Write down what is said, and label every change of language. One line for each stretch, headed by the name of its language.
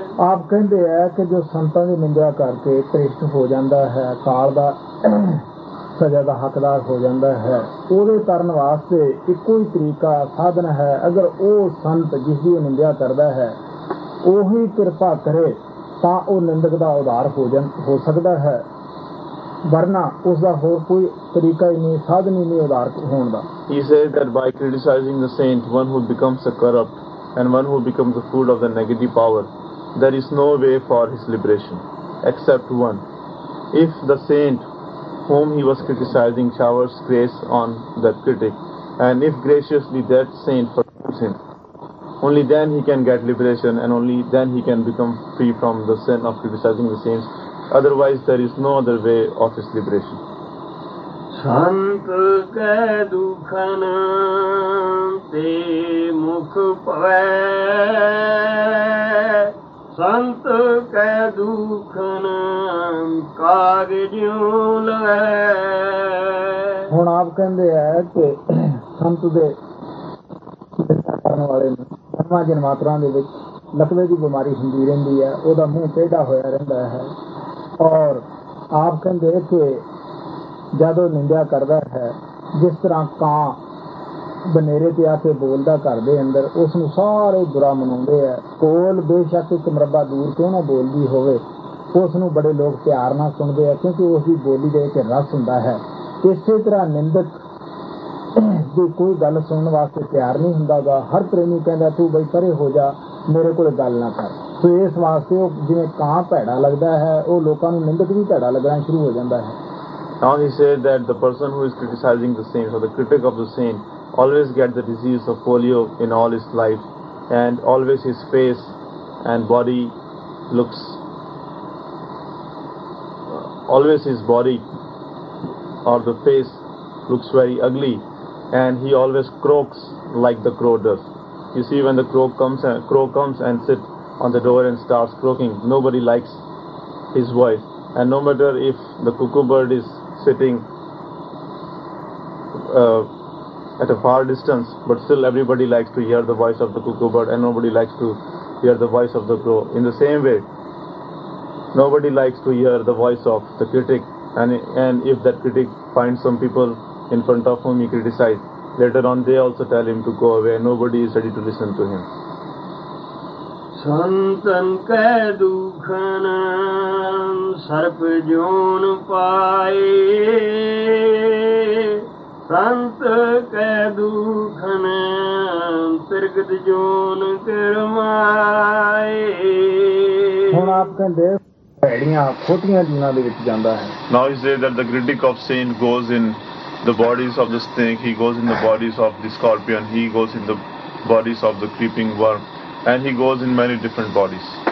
Punjabi: ਆਪ ਕਹਿੰਦੇ ਆ ਕਿ ਜੋ ਸੰਤਾਂ ਦੀ ਨਿੰਦਿਆ ਕਰਕੇ ਭ੍ਰਿਸ਼ਟ ਹੋ ਜਾਂਦਾ ਹੈ, ਕਾਲ ਦਾ ਸਜ਼ਾ ਦਾ ਹੱਕਦਾਰ ਹੋ ਜਾਂਦਾ ਹੈ, ਉਹਦੇ ਤਰਨ ਵਾਸਤੇ ਇੱਕੋ ਹੀ ਤਰੀਕਾ ਸਾਧਨ ਹੈ, ਅਗਰ ਉਹ ਸੰਤ ਜਿਸਦੀ ਉਹ ਨਿੰਦਿਆ ਕਰਦਾ ਹੈ ਉਹੀ ਕਿਰਪਾ ਕਰੇ ਤਾਂ ਉਹ ਨਿੰਦਕ ਦਾ ਉਧਾਰ ਹੋ ਸਕਦਾ ਹੈ, ਵਰਨਾ ਉਸਦਾ ਹੋਰ ਕੋਈ ਤਰੀਕਾ ਹੀ ਨਹੀਂ, ਸਾਧਨ ਹੀ ਨਹੀਂ ਉਧਾਰ ਹੋਣ ਦਾ।
English: He says that by criticizing the saint, one who becomes a corrupt and one who becomes a fool of the negative power, there is no way for his liberation except one. If the saint whom he was criticizing showers grace on that critic, and if graciously that saint forgives him, only then he can get liberation and only then he can become free from the sin of criticizing the saints. Otherwise there is no other way of his liberation.
Punjabi: Sant ke dukhan te mukh pave, ਸੰਤ ਕੈ ਦੁਖਨ ਕਾਗ ਜਿਉਂ ਲਵੈ। ਹੁਣ ਆਪ ਕਹਿੰਦੇ ਹੈ ਕਿ ਸੰਤ ਦੇ ਕਰਨ ਵਾਲੇ ਨੂੰ ਨਵਾਂ ਜਨਮ ਮਾਤਰਾ ਦੇ ਵਿੱਚ ਲਕਵੇ ਦੀ ਬਿਮਾਰੀ ਹੁੰਦੀ ਰਹਿੰਦੀ ਹੈ, ਉਹਦਾ ਮੂੰਹ ਟੇਢਾ ਹੋਇਆ ਰਹਿੰਦਾ ਹੈ, ਔਰ ਆਪ ਕਹਿੰਦੇ ਕਿ ਜਦ ਉਹ ਨਿੰਦਿਆ ਕਰਦਾ ਹੈ ਜਿਸ ਤਰ੍ਹਾਂ ਕਾਂ ਬਨੇਰੇ ਤੇ ਆ ਕੇ ਬੋਲਦਾ ਘਰ ਦੇ ਅੰਦਰ, ਉਸ ਨੂੰ ਸਾਰੇ ਬੁਰਾ ਮਨਾਉਂਦੇ ਆ, ਕੋਲ ਬੇਸ਼ੱਕ ਇੱਕ ਮਰੱਬਾ ਦੂਰ ਕਿਉਂ ਨਾ ਬੋਲਦੀ ਹੋਵੇ, ਉਸ ਨੂੰ ਬੜੇ ਲੋਕ ਪਿਆਰ ਨਾਲ ਸੁਣਦੇ ਆ ਕਿਉਂਕਿ ਉਸਦੀ ਬੋਲੀ ਦੇ ਵਿੱਚ ਰਸ ਹੁੰਦਾ ਹੈ। ਇਸੇ ਤਰ੍ਹਾਂ ਨਿੰਦਕ ਦੀ ਕੋਈ ਗੱਲ ਸੁਣਨ ਵਾਸਤੇ ਤਿਆਰ ਨਹੀਂ ਹੁੰਦਾ ਗਾ, ਹਰ ਪ੍ਰੇਮੀ ਕਹਿੰਦਾ ਤੂੰ ਬਈ ਪਰੇ ਹੋ ਜਾ, ਮੇਰੇ ਕੋਲ ਗੱਲ ਨਾ ਕਰ। ਸੋ ਇਸ ਵਾਸਤੇ ਉਹ ਜਿਵੇਂ ਕਾਂ ਭੈੜਾ ਲੱਗਦਾ ਹੈ, ਉਹ ਲੋਕਾਂ ਨੂੰ ਨਿੰਦਕ ਵੀ ਭੈੜਾ ਲੱਗਣਾ ਸ਼ੁਰੂ ਹੋ ਜਾਂਦਾ ਹੈ।
English: Now he said that the person who is criticizing the saint or the critic of the saint always get the disease of polio in all his life, and always his face and body looks, always his body or the face looks very ugly, and he always croaks like the crow does. You see, when the crow comes and sit on the door and starts croaking, nobody likes his voice. And no matter if the cuckoo bird is sitting at a far distance, but still everybody likes to hear the voice of the cuckoo bird and nobody likes to hear the voice of the crow. In the same way, nobody likes to hear the voice of the critic, and if that critic finds some people in front of whom he criticized, later on they also tell him to go away and nobody is ready to listen to him.
Punjabi: ਸੰਤਨ ਕੈ ਦੁਖਨ ਸਰਪ zone ਪਾਏ, ਸੰਤ ਕੈ ਦੁਖਨ ਤਿਰਗਤ zone ਕਰਮਾਏ। ਹੁਣ ਆਪ ਕਹਿੰਦੇ ਭੈੜੀਆਂ ਖੋਟੀਆਂ ਜੀਵਨਾਂ ਦੇ ਵਿੱਚ ਜਾਂਦਾ ਹੈ।
English: Now he says that the critic of saint goes in the bodies of the snake, he goes in the bodies of the scorpion, he goes in the bodies of the creeping worm, and he goes in many different bodies.